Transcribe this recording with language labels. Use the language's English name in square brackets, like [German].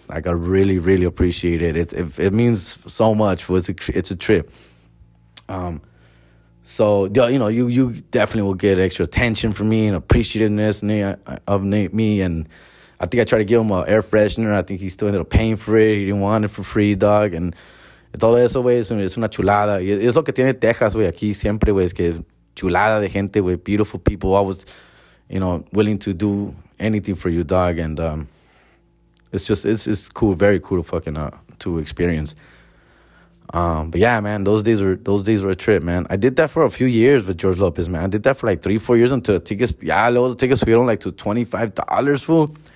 [English] Like, I really, really appreciate it. It means so much, fool. It's a trip. So, you know, you definitely will get extra attention from me and appreciativeness of me. And I think I tried to give him an air freshener. I think he still ended up paying for it. He didn't want it for free, dog. And [Spanish] todo eso, güey, es una chulada. Es lo que tiene Texas, güey, aquí siempre, güey. Es que chulada de gente, güey. [English] Beautiful people. Always, you know, willing to do anything for you, dog. And it's cool. Very cool to fucking to experience. But yeah, man, those days were a trip, man. I did that for a few years with George Lopez, man. I did that for like 3-4 years until the tickets [Spanish] fueron [English] like to $25, fool.